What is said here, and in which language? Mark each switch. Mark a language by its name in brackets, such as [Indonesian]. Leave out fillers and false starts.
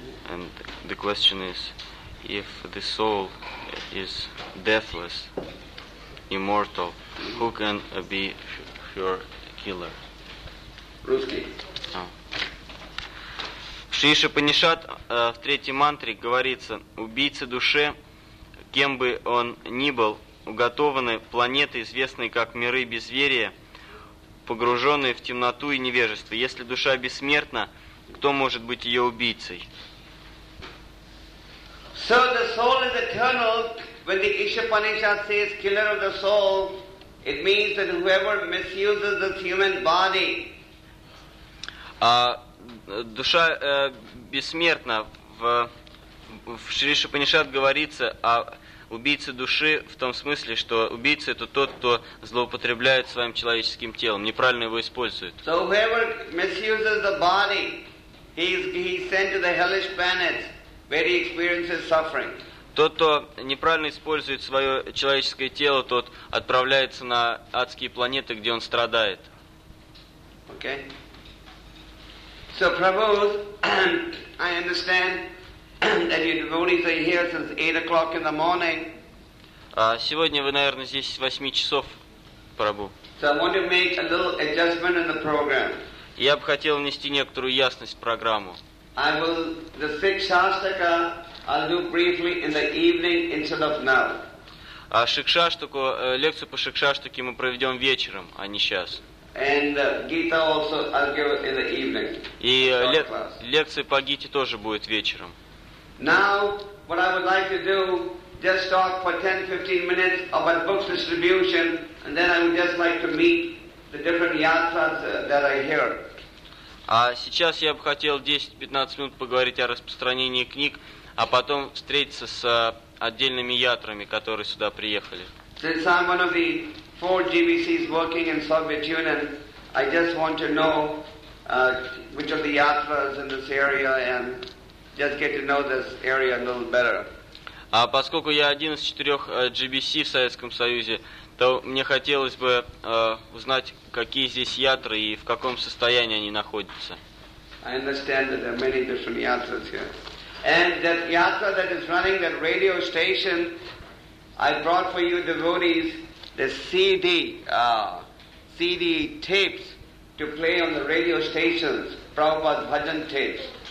[English] And the question is, if the soul is deathless, immortal, who can be her killer? [Russian] Русский. Шри Панишат в третьей мантре говорится, убийца души, кем бы он ни был, уготованы планеты, известные как миры безверия, погруженные в темноту и невежество. Если душа бессмертна, кто может быть ее убийцей? [English] So the soul is eternal. When the Ishapanishad says killer of the soul, it means that whoever misuses this human body. [Russian] Душа бессмертна. В в Шри Шупанишад говорится о убийце души в том смысле, что убийца это тот, кто злоупотребляет своим человеческим телом, неправильно его использует. [English] So whoever misuses the body, he's sent to the hellish planets where he experiences suffering. [Russian] Тот, кто неправильно использует свое человеческое тело, тот отправляется на адские планеты, где он страдает. [English] Okay. So, Prabhupada, I understand that your devotees are here since 8 o'clock in the morning. [Russian] Сегодня вы, наверное, здесь с 8 часов, Прабу. [English] So I want to make a little adjustment in the program. [Russian] Я бы хотел внести некоторую ясность в программу. [English] I will the six shastaka I'll do briefly in the evening instead of now. [Russian] Шикшаштаку, лекцию по шикшаштаке мы проведем вечером, а не сейчас. [English] And Gita also I'll give in the evening. [Russian] И лекция по Гите тоже будет вечером. [English] Now what I would like to do just talk for 10-15 minutes about book distribution and then I would just like to meet the different yatras that I hear. [Russian] А сейчас я бы хотел 10-15 минут поговорить о распространении книг, а потом встретиться с отдельными ятрами, которые сюда приехали. [English] Since I'm one of the four GBCs working in Soviet Union, I just want to know which of the yatras in this area and just get to know this area a little better. [Russian] А поскольку я один из четырех GBC в Советском Союзе, то мне хотелось бы узнать, какие здесь ятры и в каком состоянии они находятся. [English] I understand that there are many different yatras here. And that yatra that is running that radio station, I brought for you devotees the CD tapes to play on the radio stations, Prabhupada's bhajan tapes.